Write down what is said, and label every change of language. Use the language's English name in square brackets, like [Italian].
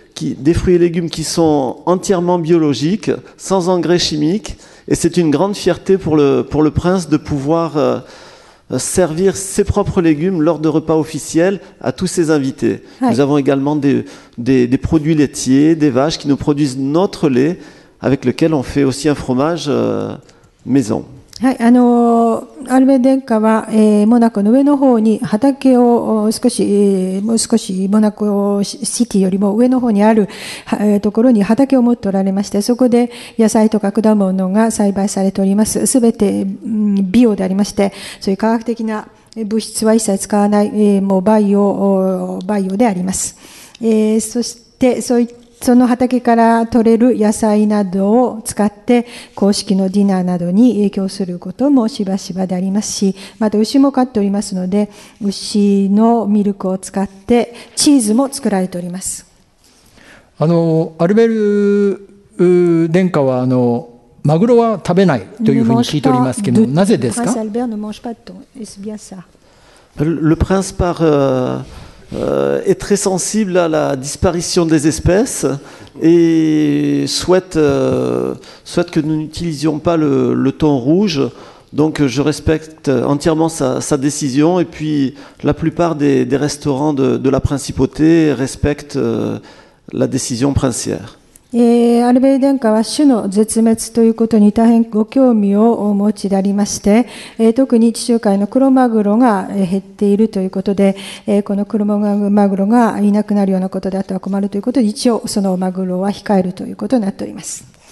[French] Des fruits et légumes qui sont entièrement biologiques, sans engrais chimiques, et c'est une grande fierté pour le prince de pouvoir servir ses propres légumes lors de repas officiels à tous ses invités. Nous avons également des produits laitiers, des vaches qui nous produisent notre lait, avec lequel on fait aussi un fromage maison. [Japanese] はい、アルベル殿下は、モナコの上の方に畑を少し、もう少しモナコシティよりも上の方にあるところに畑を持っておられまして、そこで野菜とか果物が栽培されております。すべて、ビオでありまして、そういう科学的な物質は一切使わない、もうバイオであります。そしてその畑から取れる野菜などを使って公式のディナーなどに影響することもしばしばでありますし、また牛も飼っておりますので、牛のミルクを使ってチーズも作られております。アルベル殿下はマグロは食べないというふうに聞いておりますけど、なぜですか？ [French] Le prince Albert ne mange pas de thon. Est-ce bien ça? Le prince parle. Est très sensible à la disparition des espèces et souhaite que nous n'utilisions pas le thon rouge. Donc je respecte entièrement sa décision, et puis la plupart des restaurants de la principauté respectent la décision princière. [Japanese] アルベル殿下は種の絶滅ということに大変ご興味をお持ちでありまして、特に地中海のクロマグロが減っているということで、このクロマグロがいなくなるようなことであっては困るということで、一応そのマグロは控えるということになっております。